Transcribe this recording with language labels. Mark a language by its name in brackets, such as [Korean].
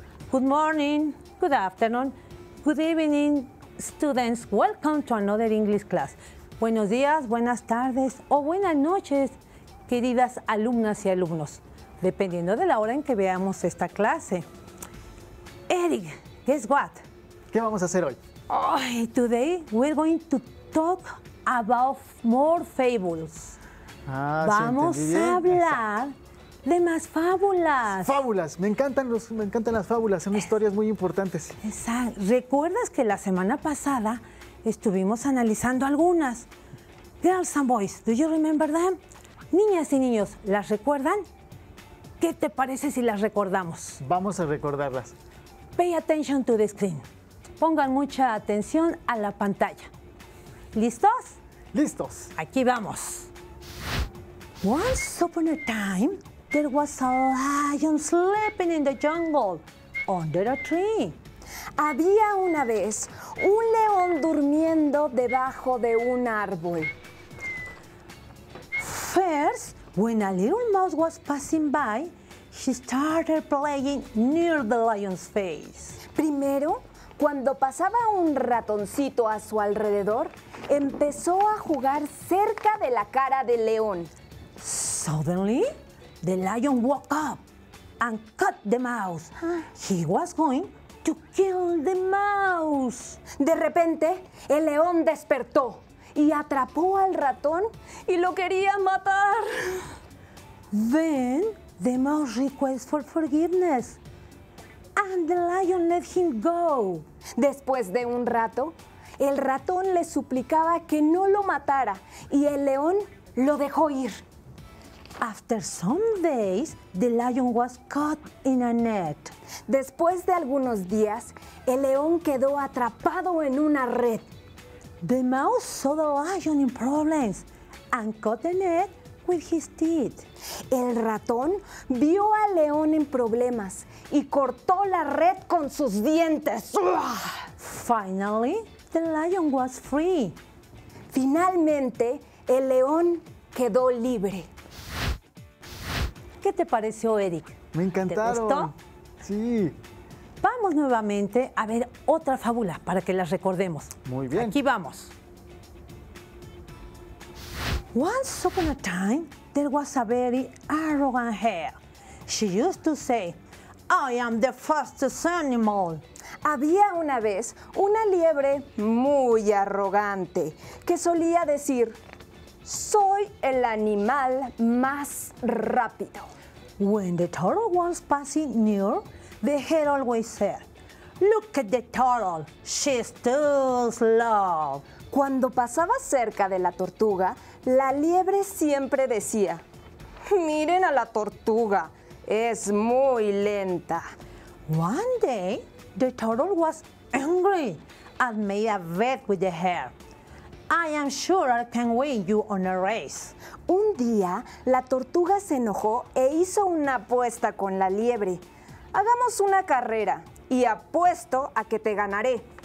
[English] Good morning, good afternoon, good evening, students. Welcome to another English class. [Spanish] Buenos días, buenas tardes o buenas noches, queridas alumnas y alumnos, dependiendo de la hora en que veamos esta clase. [English] Eric, guess what? [Spanish] ¿Qué vamos a hacer hoy? [English] Today we're going to talk about more fables. [Spanish] Vamos a hablar de más fábulas. Fábulas, me encantan las fábulas, son historias muy importantes. Exacto. ¿Recuerdas que la semana pasada estuvimos analizando algunas? [English] Girls and boys, do you remember them? [Spanish] Niñas y niños, ¿las recuerdan? ¿Qué te parece si las recordamos? Vamos a recordarlas. [English] Pay attention to the screen. [Spanish] Pongan mucha atención a la pantalla. ¿Listos? ¡Listos! Aquí vamos. [English] Once upon a time, there was a lion sleeping in the jungle under a tree. [Spanish] Había una vez un león durmiendo debajo de un árbol. [English] First, when a little mouse was passing by, she started playing near the lion's face. [Spanish] Primero, cuando pasaba un ratoncito a su alrededor, empezó a jugar cerca de la cara del león. [English] Suddenly, the lion woke up and cut the mouse. He was going to kill the mouse. [Spanish] De repente, el león despertó y atrapó al ratón y lo quería matar. [English] Then, the mouse requested for forgiveness. And the lion let him go. [Spanish] Después de un rato, el ratón le suplicaba que no lo matara y el león lo dejó ir. [English] After some days, the lion was caught in a net. [Spanish] Después de algunos días, el león quedó atrapado en una red. [English] The mouse saw the lion in problems and cut the net with his teeth. [Spanish] El ratón vio al león en problemas y cortó la red con sus dientes. [English] Finally, the lion was free. [Spanish] Finalmente, el león quedó libre. ¿Qué te pareció, Eric? Me encantaron. ¿Te gustó? Sí. vamos nuevamente a ver otra fábula para que las recordemos. Muy bien. Aquí vamos. [English] Once upon a time, there was a very arrogant hare. She used to say, I am the fastest animal. [Spanish] Había una vez una liebre muy arrogante que solía decir, soy el animal más rápido. [English] When the turtle was passing near, the hare always said, look at the turtle, she's too slow. [Spanish] Cuando pasaba cerca de la tortuga, la liebre siempre decía, miren a la tortuga, es muy lenta. [English] One day, the turtle was angry and made a bet with the hare. I am sure I can win you on a race. [Spanish] Un día, la tortuga se enojó e hizo una apuesta con la liebre. Hagamos una carrera y apuesto a que te ganaré.